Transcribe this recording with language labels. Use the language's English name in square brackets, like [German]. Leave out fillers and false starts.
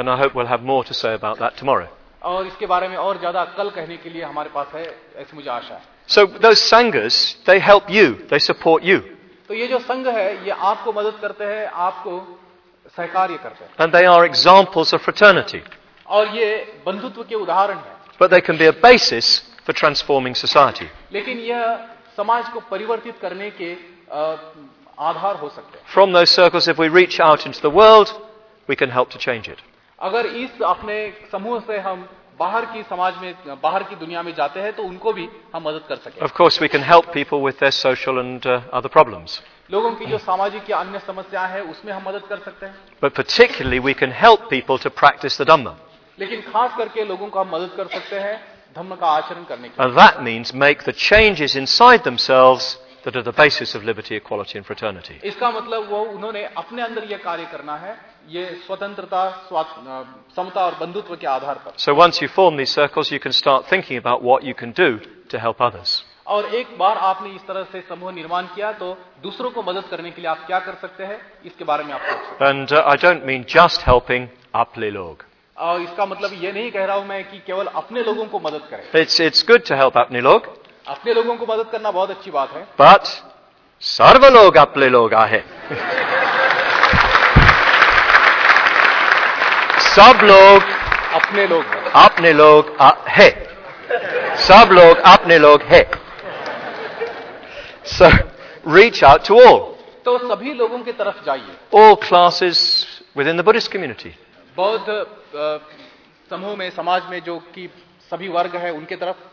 [English] And I hope we'll have more to say about that tomorrow. [Hindi] और इसके बारे में और ज्यादा कल कहने के लिए हमारे पास है ऐसी मुझे आशा है. [English] So those sanghas, they help you, they support you. [Hindi] तो ये जो संघ है ये आपको मदद करते हैं आपको सहकार्य करते हैं. [English] And they are examples of fraternity. [Hindi] और ये बंधुत्व के उदाहरण है. [English] But they can be a basis for transforming society. [Hindi] लेकिन यह समाज को परिवर्तित करने के आधार हो सकते हैं. [English] From those circles, if we reach out into the world, we can help to change it. [Hindi] अगर इस अपने समूह से हम बाहर की समाज में बाहर की दुनिया में जाते हैं तो उनको भी हम मदद कर सकते हैं. [English] Of course, we can help people with their social and other problems. [Hindi] लोगों की जो सामाजिक या अन्य समस्याएं हैं उसमें हम मदद कर सकते हैं. [English] But particularly, we can help people to practice the Dhamma. [Hindi] लेकिन खास करके लोगों को हम मदद कर सकते हैं धम्म का आचरण करने के लिए. [English] And that means make the changes inside themselves that are the basis of liberty, equality and fraternity. [Hindi] इसका मतलब वो उन्होंने अपने अंदर ये कार्य करना है ये स्वतंत्रता समता और बंधुत्व के आधार पर. [English] So once you form these circles you can start thinking about what you can do to help others. [Hindi] और एक बार आपने इस तरह से समूह निर्माण किया तो दूसरों को मदद करने के लिए आप क्या कर सकते हैं इसके बारे में आप सोच सकते हैं. [English] And I don't mean just helping [Hindi] apne log. और इसका मतलब ये नहीं कह रहा हूं मैं कि केवल अपने लोगों को मदद करें. [English] It's good to help [Hindi] apne log. अपने लोगों को मदद करना बहुत अच्छी बात है. [English] but [Hindi] सर्व लोग अपने लोग आए सब लोग अपने लोग हैं. आपने लोग है, सब लोग आपने लोग है. [English] So reach out to all. [Hindi] तो सभी लोगों की तरफ जाइए. [English] All classes within the Buddhist community. [Hindi] बौद्ध समूह में, समाज में जो कि सभी वर्ग है उनके तरफ.